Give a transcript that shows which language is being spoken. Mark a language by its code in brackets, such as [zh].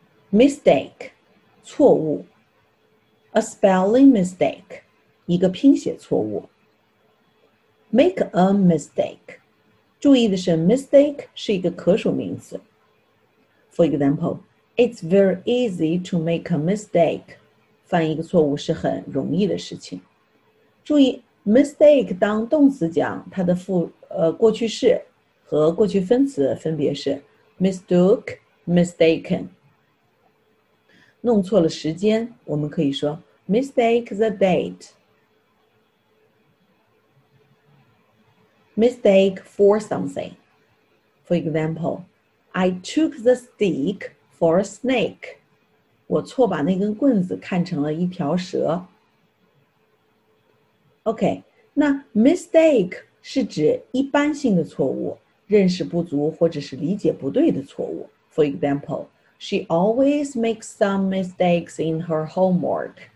[zh] Mistake, 错误。 [en] A spelling mistake, [zh] 一个拼写错误。 [en] Make a mistake. [zh] 注意的是 mistake 是一个可数名词。 [en] For example, it's very easy to make a mistake. [zh] 犯一个错误是很容易的事情。注意 mistake 当动词讲它的过去式和过去分词分别是 mistook, mistaken. 弄错了时间我们可以说 [en] mistake the date. Mistake for something. For example, I took the stick for a snake. [zh] 我错把那根棍子看成了一条蛇。 OK, 那 mistake 是指一般性的错误，认识不足或者是理解不对的错误。 [en] For example, she always makes some mistakes in her homework.